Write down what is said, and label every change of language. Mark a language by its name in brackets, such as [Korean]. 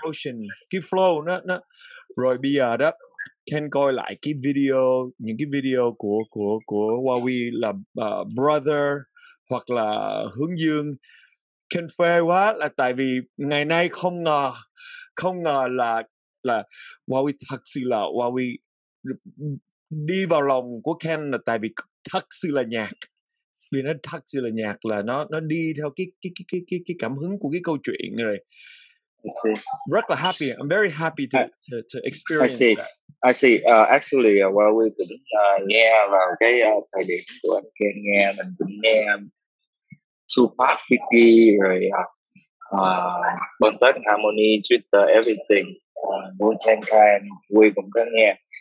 [Vietnamese] motion, cái flow nó rồi bây giờ đó Ken coi lại cái video, những cái video của Huawei là Brother hoặc là Hướng Dương, Ken phê quá, là tại vì ngày nay không ngờ là Huawei, thật sự là Huawei đi vào lòng của Ken, là tại vì thật sự là nhạc, vì nó thật sự là nhạc, là nó đi theo cái cảm hứng của cái câu chuyện rồi. Rất là [English] happy, I'm very happy to experience that. I see. Actually, while we [Vietnamese] cũng nghe vào cái thời điểm của anh Ken nghe, mình cũng nghe Tupac, Biggie, rồi Bone Thugs and Harmony, Twitter, everything, Wu-Tang Clan, we cũng có nghe.